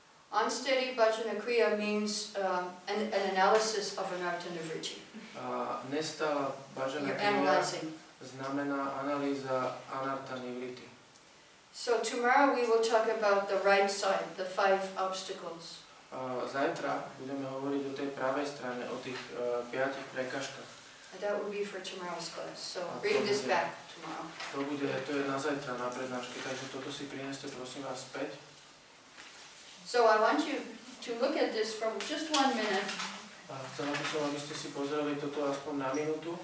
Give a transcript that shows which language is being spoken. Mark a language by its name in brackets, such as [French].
[English] Unsteady Bhajana Kriya means an analysis of Anatta Nivritti. [Slovak] A nestála Bhajana Kriya znamená analýza Anatta Nivritti. [English] So tomorrow we will talk about the right side, the five obstacles. [Slovak] Zajtra budeme hovoriť o tej pravej strane, o tých piatich prekážkach. [English] That will be for tomorrow's class, so bring this back tomorrow. [Slovak] To bude, to je na zajtra, na prednáške, takže toto si prineste, prosím vás, späť. [English] So I want you to look at this from just one minute. [Slovak] A chcela by som, aby ste si pozreli toto aspoň na minútu.